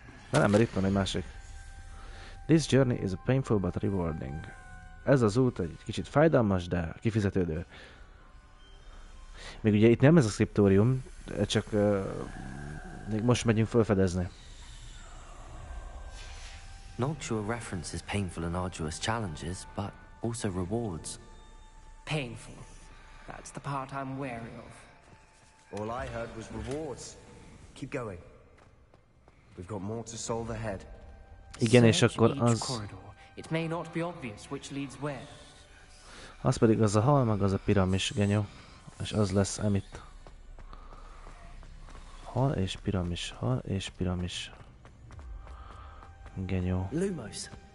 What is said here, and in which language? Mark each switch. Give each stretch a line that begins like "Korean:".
Hungarian: Nem, mert itt van egy másik.
English: This journey is painful but rewarding.
Hungarian: Ez az út egy kicsit fájdalmas, de kifizetődő. Még ugye itt nem ez a szkriptórium, csak még most megyünk felfedezni.
English: Nocturne references painful and arduous challenges, but also rewards. Painful. That's the part I'm wary of. All I heard was rewards. Keep going. We've got more to solve ahead.
Hungarian: Igen, és akkor az...
English: It may not be obvious which leads where.
Hungarian: Az pedig az a hal, meg az a piramis, genyó. És az lesz emitt. Hal és piramis, hal és piramis. Genyó. Lumos.